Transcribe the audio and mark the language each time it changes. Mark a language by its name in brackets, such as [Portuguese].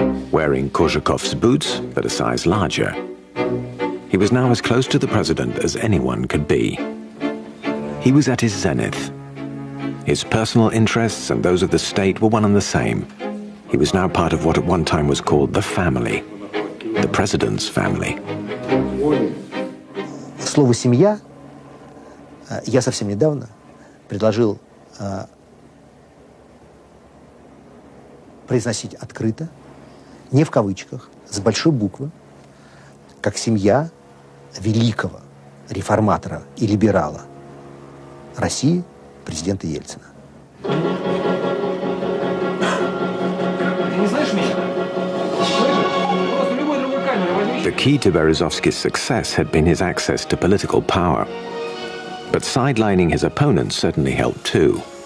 [English] Wearing Korsakov's boots, but a size larger, he was now as close to the president as anyone could be. He was at his zenith. His personal interests and those of the state were one and the same. He was now part of what at one time was called the family. The president's family. [Russian] Слово «семья» я совсем недавно предложил произносить открыто, не в кавычках, с большой буквы, как семья великого реформатора и либерала России, президента Ельцина. [English] The key to Berezovsky's success had been his access to political power. But sidelining his opponents certainly helped too.